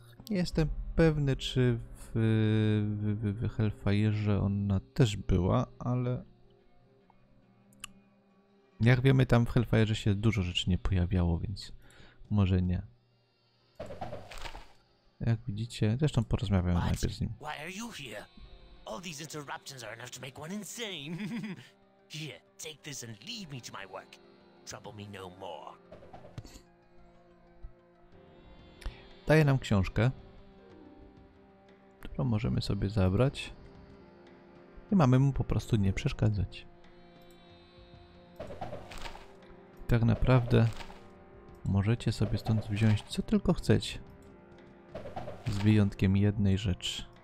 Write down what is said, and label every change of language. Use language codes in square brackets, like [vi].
[pl] Nie jestem pewny, czy w Hellfire'ze ona też była, ale jak wiemy, tam w Hellfire'ze się dużo rzeczy nie pojawiało, więc może nie. Jak widzicie, zresztą porozmawiam najpierw z nim. [en] All these interruptions are enough to make one insane. Here, take this and leave me to my work. Trouble me no more. [pl] Daje nam książkę, którą możemy sobie zabrać i mamy mu po prostu nie przeszkadzać. I tak naprawdę możecie sobie stąd wziąć co tylko chcecie, z wyjątkiem jednej rzeczy.